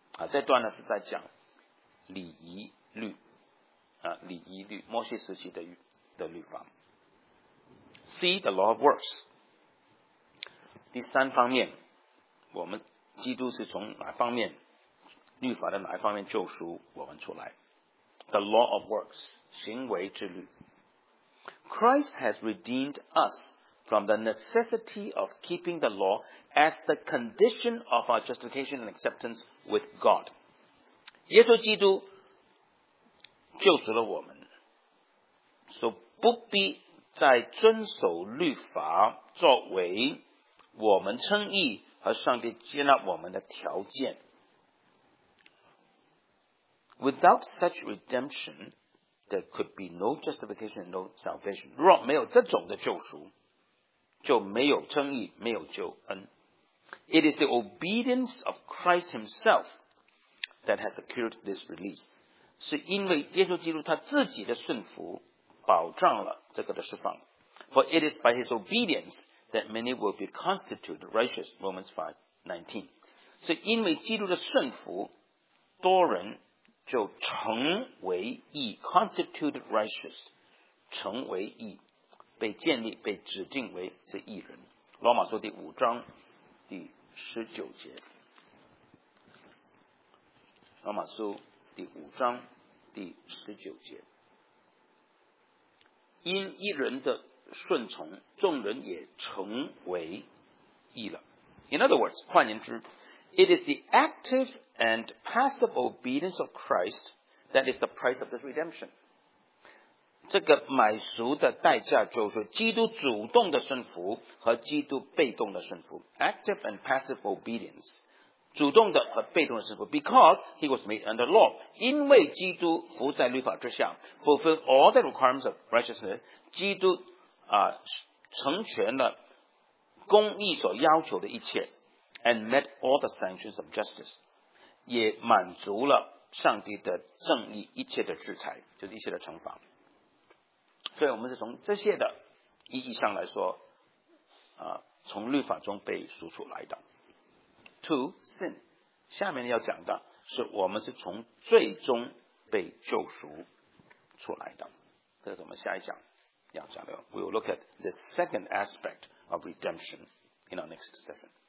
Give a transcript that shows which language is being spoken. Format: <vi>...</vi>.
<zh>这段呢是在讲礼仪律，礼仪律摩西时期 的律法。</zh> <en>See the law of works，</en> <zh>第三方面，我们基督是从哪方面律法的哪一方面救赎我们出来。</zh> <en>The law of works，</en> <zh>行为之律。</zh> <en>Christ has redeemed us from the necessity of keeping the law as the condition of our justification and acceptance with God。</en> <zh>耶稣基督救赎了我们，所以不必再遵守律法作为我们称义和上帝接纳我们的条件。</zh> <en>Without such redemption, there could be no justification and no salvation.</en> <zh>如果没有这种的救赎，就没有称义，没有救恩。</zh> <en>It is the obedience of Christ himself that has secured this release.</en> <zh>是因为耶稣基督他自己的顺服保障了这个的释放。</zh> <en>For it is by his obedience that many will be constituted righteous. Romans 5:19.</en> <zh>是因为基督的顺服，多人就成为义</zh> <en>constituted righteous，</en> <zh>成为义，被建立被指定为是义人。罗马书第五章第十九节。罗马书第五章第十九节，因一人的顺从，众人也成为义了。</zh> <en>In other words,</en> <zh>换言之，</zh> <en>It is the active and passive obedience of Christ that is the price of this redemption.</en> <zh>这个买赎的代价就是基督主动的顺服和基督被动的顺服。</zh> <en>Active and passive obedience,</en> <zh>主动的和被动的顺服。</zh> <en>Because he was made under law,</en> <zh>因为基督服在律法之下，</zh> <en>Fulfilled all the requirements of righteousness,</en> <zh>基督成全了公义所要求的一切，</zh> <en>and met all the sanctions of justice,</en> <zh>也满足了上帝的正义，一切的制裁，就是一切的惩罚。所以我们是从这些的意义上来说，从律法中被赎出来的。</zh> <en>To sin,</en> <zh>下面要讲的是我们是从罪中被救赎出来的，这是我们下一讲。</zh> <en>We will look at the second aspect of redemption in our next session.</en>